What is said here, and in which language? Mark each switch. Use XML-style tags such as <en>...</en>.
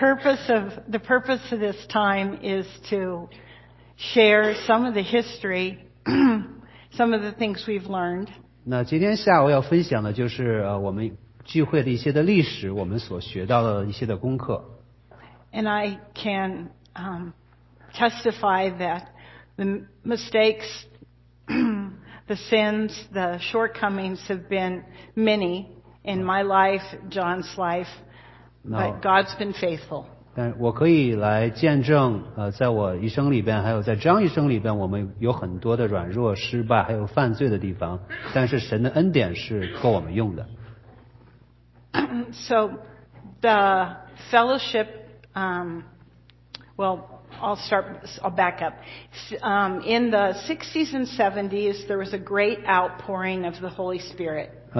<en>The purpose of this time is to share some of the history, some of the things we've learned.</en> <zh>那今天下午要分享的就是我们聚会的一些的历史，我们所学到的一些的功课。</zh> <en>And I can testify that the mistakes, the sins, the shortcomings have been many. In my life, John's life, but God's been faithful.</en> <zh>但我可以来见证，在我一生里边，还有在张一生里边，我们有很多的软弱、失败，还有犯罪的地方。但是神的恩典是够我们用的。</zh> <en>So the fellowship, I'll back up. In the 60s and 70s, there was a great outpouring of the Holy Spirit.</en>